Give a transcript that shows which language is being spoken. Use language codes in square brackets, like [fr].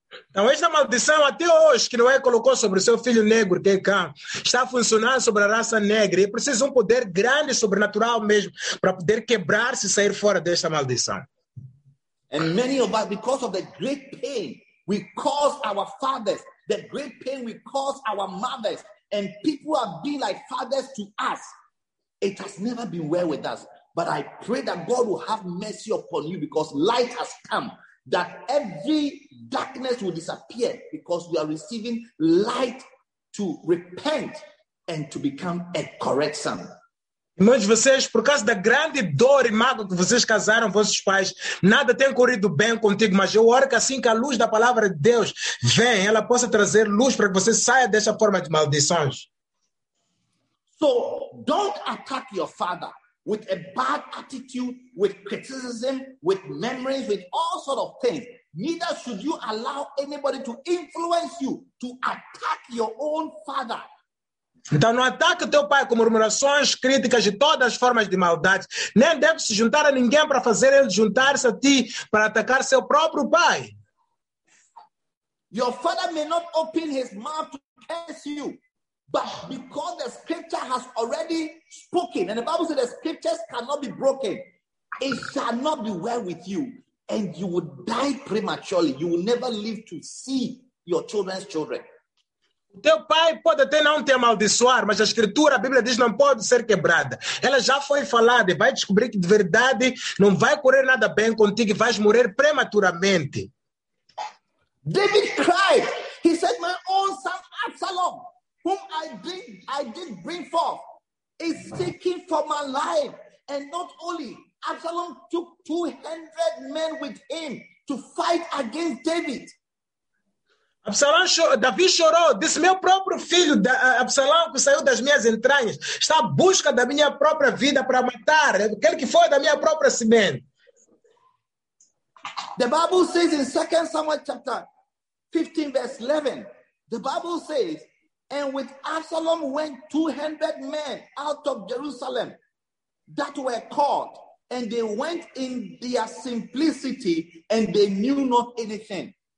[pt] Então, esta maldição até hoje que Noé colocou sobre seu filho negro, que é Cã, está funcionando sobre a raça negra. E precisa um poder grande, sobrenatural mesmo, para poder quebrar-se e sair fora desta maldição. [en] And many of us, because of the great pain we cause our fathers, the great pain we cause our mothers, and people have been like fathers to us, it has never been well with us. But I pray that God will have mercy upon you, because light has come, that every darkness will disappear, because you are receiving light to repent and to become a correct son. [pt] Irmãos, vocês, por causa da grande dor e mágoa que vocês causaram vossos pais, nada tem corrido bem contigo, mas eu oro que assim que a luz da palavra de Deus vem, ela possa trazer luz para que você saia dessa forma de maldições. [en] So, don't attack your father with a bad attitude, with criticism, with memories, with all sort of things. Neither should you allow anybody to influence you to attack your own father. [pt] Então não ataque o teu pai com murmurações, críticas e todas as formas de maldade. Nem deve se juntar a ninguém para fazer ele juntar-se a ti para atacar seu próprio pai. [en] Your father may not open his mouth to curse you, But because the scripture has already spoken, and the Bible says the scriptures cannot be broken, it shall not be well with you, and you will die prematurely. You will never live to see your children's children. [pt] O teu pai pode até não te amaldiçoar, mas a escritura, a Bíblia diz, não pode ser quebrada. Ela já foi falada e vai descobrir que de verdade não vai correr nada bem contigo e vais morrer prematuramente. [en] David cried. He said, my own son Absalom, whom I did bring forth, is seeking for my life. And not only, Absalom took 200 men with him to fight against David. [pt] Absalão, Davi chorou, disse, meu próprio filho, Absalão, que saiu das minhas entranhas, está à busca da minha própria vida para matar, aquele que foi da minha própria semente. [en] The Bible says in 2 Samuel chapter 15, verse 11, the Bible says, and with Absalom went 200 men out of Jerusalem that were caught, and they went in their simplicity, and they knew not anything.